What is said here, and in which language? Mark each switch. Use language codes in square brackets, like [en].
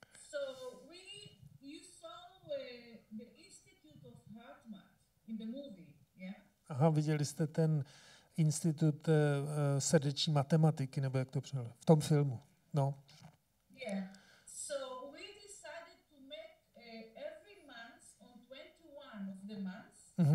[en] So you saw the Institute of Heartmath in the movie, yeah? [cs] Viděli jste ten institut srdeční matematiky, nebo jak to přišlo, v tom filmu, no. [en] Yeah, so we decided to make every month on 21 of the months,